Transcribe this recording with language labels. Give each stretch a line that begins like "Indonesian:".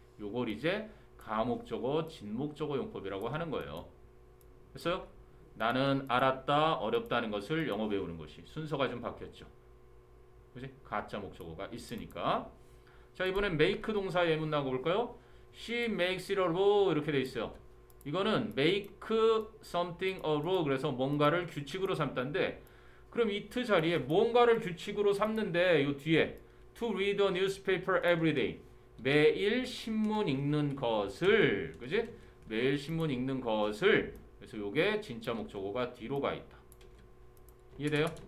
Korean: 요걸 이제 가목적어, 진목적어 용법이라고 하는 거예요. 됐어요? 나는 알았다, 어렵다는 것을 영어 배우는 것이 순서가 좀 바뀌었죠. 그지? 가짜 목적어가 있으니까. 자, 이번엔 make 동사 예문 나가 볼까요?
English: She makes it a rule 이렇게 돼 있어요.
Korean: 이거는 make something a rule, 그래서 뭔가를 규칙으로 삼다인데, 그럼 it 자리에 뭔가를 규칙으로 삼는데 요 뒤에 to read a newspaper every day, 매일 신문 읽는 것을, 그지? 매일 신문 읽는 것을, 그래서 요게 진짜 목적어가 뒤로 가 있다. 이해돼요?